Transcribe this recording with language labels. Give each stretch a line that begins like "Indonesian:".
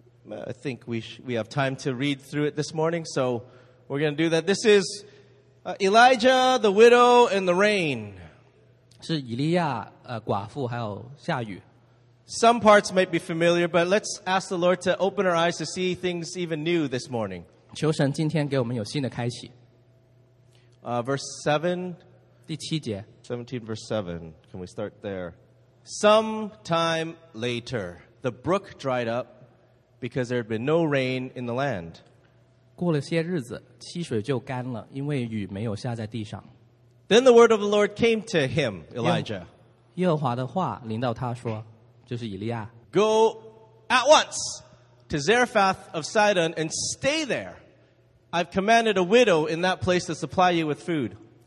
English: I think we have time to read through it this morning, so we're going to do that. This is Elijah, the widow, and the rain.
Chinese: 是以利亚寡妇还有下雨。
English: Some parts might be familiar, but let's ask the Lord to open our eyes to see things even new this morning.
Chinese: 求神今天给我们有新的开启。
English: Verse 7,
Chinese: 第七节,
English: 17 verse 7, can we start there? Some time later, the brook dried up because there had been no rain in the land.
Chinese: 过了些日子,溪水就干了,因为雨没有下在地上。
English: Then the word of the Lord came to him, Elijah.
Chinese: 耶和华的话临到他说,就是以利亚。
English: Go at once to Zarephath of Sidon and stay there. I've commanded a widow in that place to supply you with food.